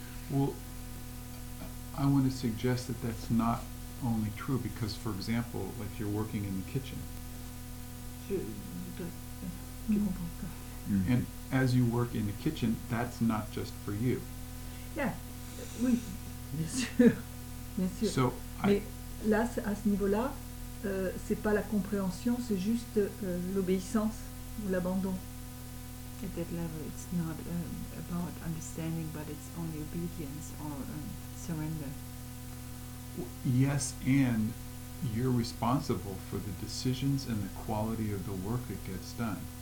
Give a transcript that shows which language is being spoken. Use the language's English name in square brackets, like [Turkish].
[English] Well, I want to suggest that that's not only true, because, for example, like you're working in the kitchen. Mm-hmm. And as you work in the kitchen, that's not just for you. [French] Yeah. Oui. Bien sûr. [English] So [French] mais là, à ce niveau-là, c'est pas la compréhension, c'est juste l'obéissance ou l'abandon. [English] At that level, it's not about understanding, but it's only obedience or surrender. Yes, and you're responsible for the decisions and the quality of the work that gets done.